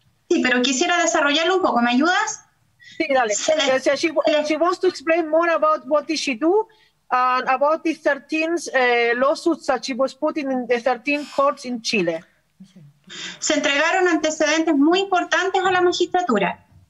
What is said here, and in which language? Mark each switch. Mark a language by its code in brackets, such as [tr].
[es] Sí, pero quisiera desarrollarlo un poco, ¿me ayudas? Sí, dale. [en] She wants to explain more about what did she do and about the 13 lawsuits that she was putting in the 13 courts in Chile. [es] Se entregaron antecedentes muy importantes a la magistratura.